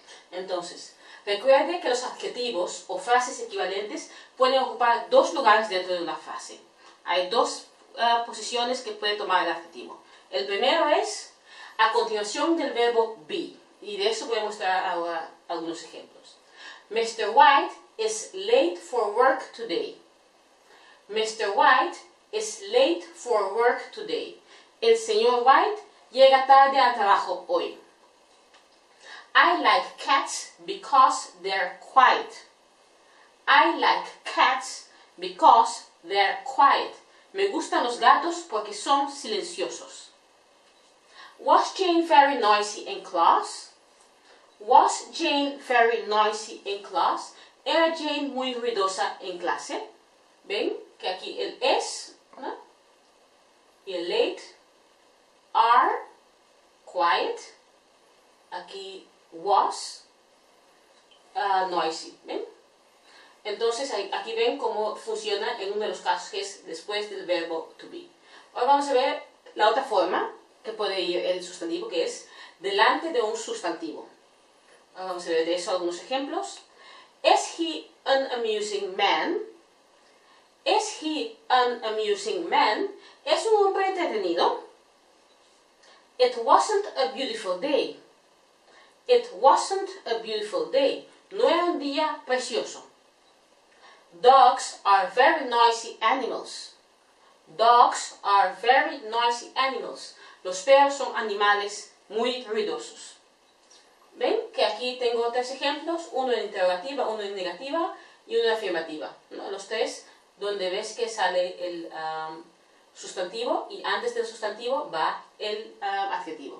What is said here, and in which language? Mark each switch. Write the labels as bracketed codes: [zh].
[es] Entonces, recuerde que los adjetivos o frases equivalentes pueden ocupar dos lugares dentro de una frase. Hay dos posiciones que puede tomar el adjetivo. El primero es a continuación del verbo be. Y de eso voy a mostrar ahora algunos ejemplos. [en] Mr. White is late for work today. Mr. White is late for work today. [es] El señor White llega tarde al trabajo hoy. [en] I like cats because they're quiet. I like cats because they're quiet. [es] Me gustan los gatos porque son silenciosos. [en] Was Jane very noisy in class? Was Jane very noisy in class? [es] ¿Era Jane muy ruidosa en clase? ¿Ven? Que aquí el es, ¿no? Y el late, are, quiet, aquí was, noisy, ¿ven? Entonces aquí ven cómo funciona en uno de los casos que es después del verbo to be. Ahora vamos a ver la otra forma que puede ir el sustantivo, que es delante de un sustantivo. Ahora vamos a ver de eso algunos ejemplos. [en] Is he an amusing man? Is he an amusing man? [es] ¿Es un hombre entretenido? [en] It wasn't a beautiful day. It wasn't a beautiful day. [es] No era un día precioso. [en] Dogs are very noisy animals. Dogs are very noisy animals. [es] Los perros son animales muy ruidosos. ¿Ven? Que aquí tengo tres ejemplos, uno en interrogativa, uno en negativa y uno en afirmativa, ¿no? Los tres donde ves que sale el sustantivo y antes del sustantivo va el adjetivo.